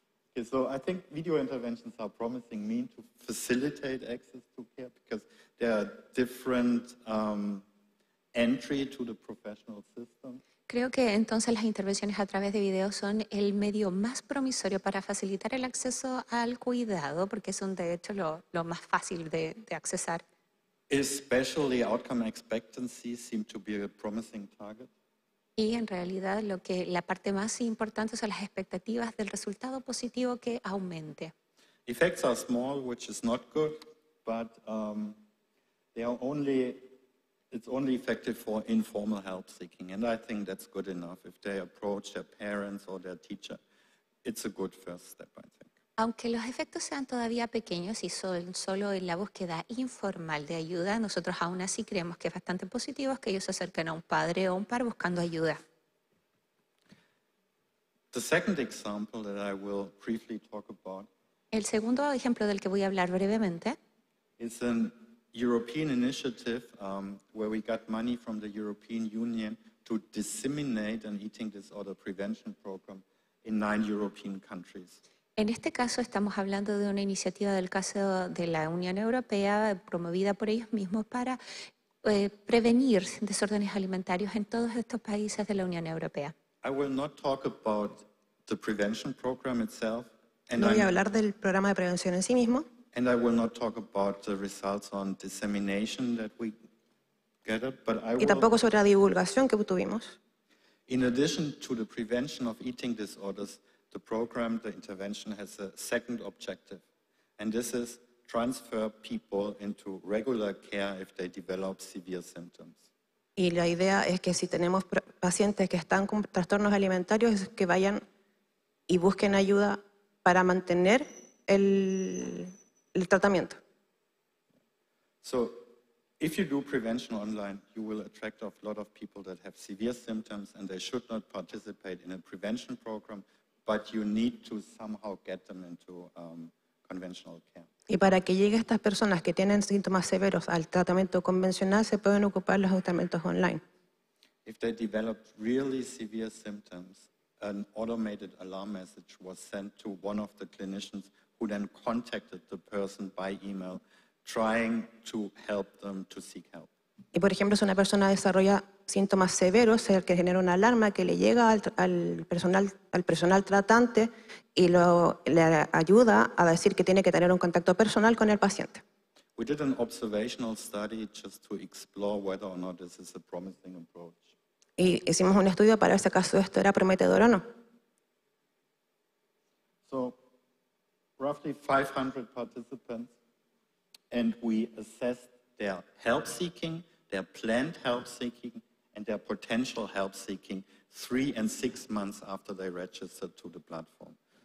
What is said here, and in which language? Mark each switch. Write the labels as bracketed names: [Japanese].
[English] Okay, so I think video interventions are promising means to facilitate access to care because there are different entry to the professional system. [Spanish] Creo que entonces las intervenciones a través de video son el medio más promisorio para facilitar el acceso al cuidado, porque son de hecho lo más fácil de accesar. [English] Especially outcome expectancies seem to be a promising target. [Spanish] Y en realidad lo que la parte más importante son las expectativas del resultado positivo que aumente. [English] Effects are small, which is not good, but they are only. It's only effective for informal help seeking, and I think that's good enough. If they approach their parents or their teacher, it's a good first step, I think. [Spanish] Aunque los efectos sean todavía pequeños y son solo en la búsqueda informal de ayuda, nosotros aún así creemos que es bastante positivo que ellos se acerquen a un padre o un par buscando ayuda. [English] The second example that I will briefly talk about. [Spanish] El segundo ejemplo del que voy a hablar brevemente. [English] Is an European initiative where we got money from the European Union to disseminate an eating disorder prevention program in 9 European countries. [Spanish] En este caso estamos hablando de una iniciativa del caso de la Unión Europea promovida por ellos mismos para prevenir desórdenes alimentarios en todos estos países de la Unión Europea. [English] I will not talk about the prevention program itself. [Spanish] And no voy a hablar del programa de prevención en sí mismo. [English] And I will not talk about the results on dissemination that we gathered, but I will. [Spanish] Y tampoco sobre la divulgación que obtuvimos. [English] In addition to the prevention of eating disorders, the program, the intervention, has a second objective, and this is transfer people into regular care if they develop severe symptoms. [Spanish] Y la idea es que si tenemos pacientes que están con trastornos alimentarios, es que vayan y busquen ayuda para mantener el tratamiento. [English] So If you do prevention online, you will attract a lot of people that have severe symptoms and they should not participate in a prevention program, but you need to somehow get them into conventional care. [Spanish] Y para que lleguen estas personas que tienen síntomas severos al tratamiento convencional, se pueden ocupar los tratamientos online. [English] If they developed really severe symptoms, an automated alarm message was sent to one of the clinicians who then contacted the person by email, trying to help them to seek help. [Spanish] Y por ejemplo, si una persona desarrolla síntomas severos, es el que genera una alarma que le llega al personal tratante y le ayuda a decir que tiene que tener un contacto personal con el paciente. [English] We did an observational study just to explore whether or not this is a promising approach. [Spanish] Y hicimos un estudio para ver si acaso esto era prometedor o no. [English] So, roughly 500 participants, and we assessed their help seeking, their planned help seeking, and their potential help seeking 3 and 6 months after they registered to the platform.